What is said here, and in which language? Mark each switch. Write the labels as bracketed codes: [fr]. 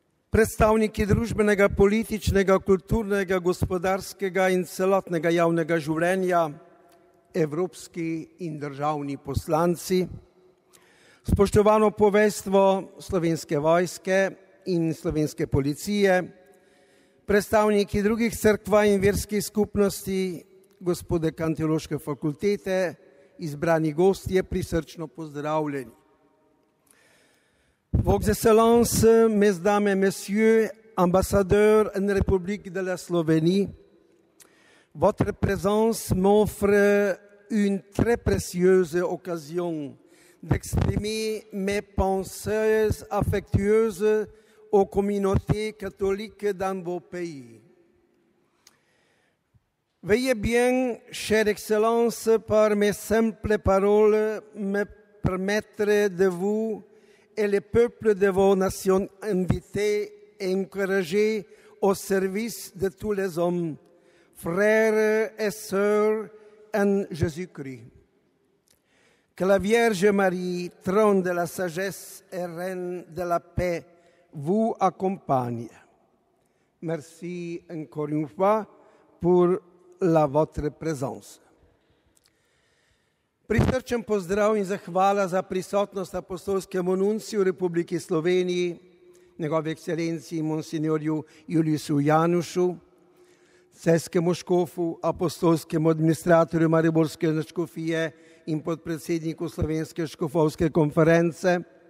[sl] predstavniki družbenega, političnega, kulturnega, gospodarskega in celotnega javnega življenja, evropski in državni poslanci, spoštovano poveljstvo Slovenske vojske in Slovenske policije, predstavniki drugih cerkva in verskih skupnosti, gospode Teološke fakultete, izbrani gostje, prisrčno pozdravljeni. [fr] Vos excellences, mesdames et messieurs, ambassadeurs en République de la Slovénie, votre présence m'offre une très précieuse occasion d'exprimer mes pensées affectueuses aux communautés catholiques dans vos pays. Veuillez bien, chère excellence, par mes simples paroles, me permettre de vous et les peuples de vos nations invités et encouragés au service de tous les hommes, frères et sœurs en Jésus-Christ. Que la Vierge Marie, trône de la sagesse et reine de la paix, vous accompagne. Merci encore une fois pour la votre présence. [sl] Prisrčen pozdrav in zahvala za prisotnost apostolskemu nunciju v Republiki Sloveniji, njegovi ekscelenciji monsignorju Juliusu Janušu, celjskemu škofu, apostolskemu administratorju Mariborske škofije in podpredsedniku Slovenske škofovske konference,